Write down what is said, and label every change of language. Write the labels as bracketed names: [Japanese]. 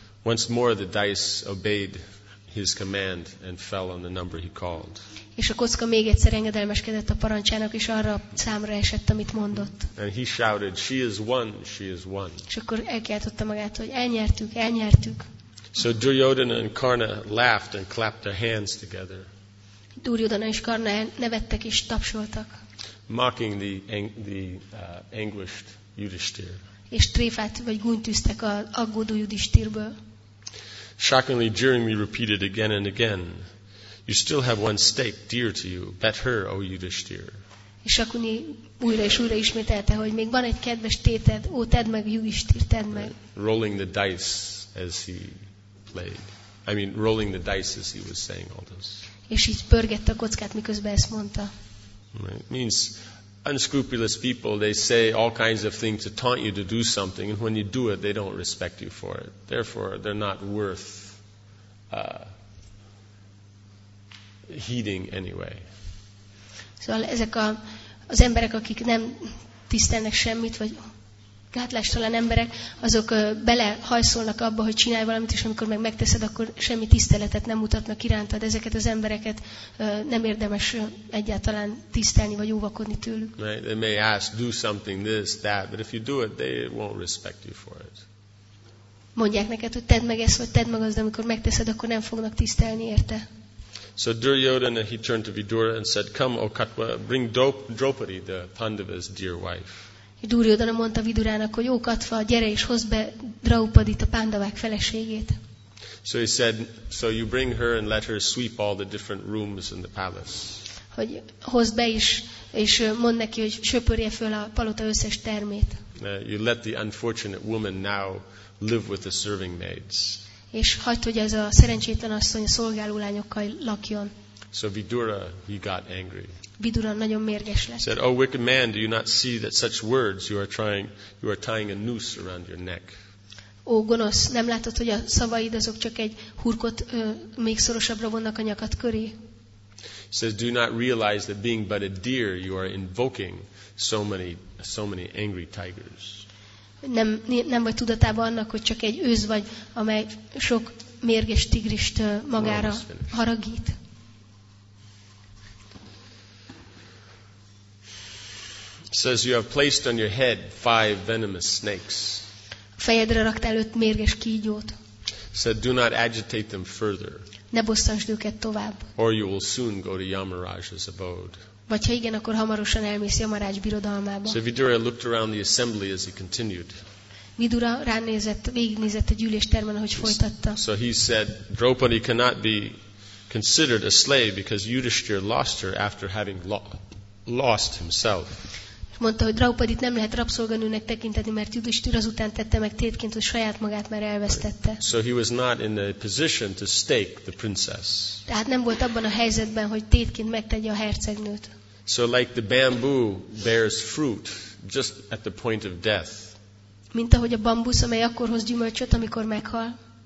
[English] Once more the dice obeyed his command and fell on the number he called. [Hungarian] És a kocka még egyszer engedelmeskedett a parancsának, és arra a számra esett, amit mondott. [English] And he shouted, "She is one, she is one." [Hungarian] És akkor elkiáltotta magát, hogy elnyertük, elnyertük. [English] So Duryodhana and Karna laughed and clapped their hands together. [Hungarian] Duryodhana és Karna nevettek és tapsoltak. [English] Mocking the anguished Yudhisthira. [Hungarian] És tréfát vagy gúnyt tűztek az aggódó Yudhisthirből. [English] Shockingly, jeeringly repeated again and again, "You still have one stake dear to you. Bet her, O Yudhisthira." [Hungarian] És Shakuni újra és újra ismételte, hogy még van egy kedves téted, ó, tedd meg, Yudhisthira, tedd meg. [English] Rolling the dice as he played. I mean, rolling the dice as he was saying all this. [Hungarian] És így pörgette a kockát, miközben ezt mondta. [English] It means unscrupulous people, they say all kinds of things to taunt you to do something, and when you do it, they don't respect you for it. Therefore, they're not worth heeding anyway. [Hungarian] Szóval ezek az emberek, akik nem tisztelnek semmit, vagy gátlástalan emberek, azok belehajszolnak abba, hogy csinálj valamit, és amikor meg megteszed, akkor semmi tiszteletet nem mutatnak irántad. Ezeket az embereket nem érdemes egyáltalán tisztelni, vagy óvakodni tőlük. [English] They may ask, "Do something this, that," but if you do it, they won't respect you for it. [Hungarian] Mondják neked, hogy tedd meg ezt, vagy tedd meg azt, de amikor megteszed, akkor nem fognak tisztelni érte. [English] So Duryodhana, he turned to Vidura and said, "Come, O Katva, bring Draupadi, the Pandava's dear wife." [Hungarian] Duryodhana mondta Vidurának, hogy ó, Katva, gyere és hozd be Draupadit, a Pandavák feleségét. [English] So he said, so you bring her and let her sweep all the different rooms in the palace. [Hungarian] Hogy hozd be is, és mond neki, hogy söpörje föl a palota összes termét. [English] You let the unfortunate woman now live with the serving maids. [Hungarian] És hagyd, hogy ez a szerencsétlen asszony szolgáló lányokkal lakjon. [English] So Vidura, he got angry. [Hungarian] Vidura nagyon mérges lett. [English] Said, oh wicked man, do you not see that such words you are tying a noose around your neck? [Hungarian] Ó, gonosz, nem látod, hogy a szavaid azok csak egy hurkot még szorosabbra vonnak a nyakad köré? [English] Says, do you not realize that being but a deer, you are invoking so many angry tigers? [Hungarian] Nem vagy tudatában annak, hogy csak egy őz vagy, amely sok mérges tigrist magára haragít. [English] Says you have placed on your head 5 venomous snakes. [Hungarian] Fejedre raktál 5 mérges kígyót. [English] Said do not agitate them further. [Hungarian] Ne bosszantsd őket tovább. [English] Or you will soon go to Yamaraj's abode. [Hungarian] Vagy ha igen, akkor hamarosan elmész Yamaraj birodalmába. [English] So Vidura looked around the assembly as he continued. [Hungarian] Vidura ránézett, végignézett a gyűléstermen, ahogy folytatta. [English] So he said, Draupadi cannot be considered a slave because Yudhishthir lost her after having lost himself. [Hungarian] Mondta, hogy Draupadit nem lehet rabszolganőnek tekinteni, mert Yudhishthir azután tette meg tétként, hogy saját magát már elvesztette. [English] So he was not in a position to stake the princess. [Hungarian] Tehát nem volt abban a helyzetben, hogy tétként megtegye a hercegnőt. [English] So like the bamboo bears fruit just at the point of death. [Hungarian] Mint ahogy a bambusz, amely akkor hoz gyümölcsöt, amikor meghal.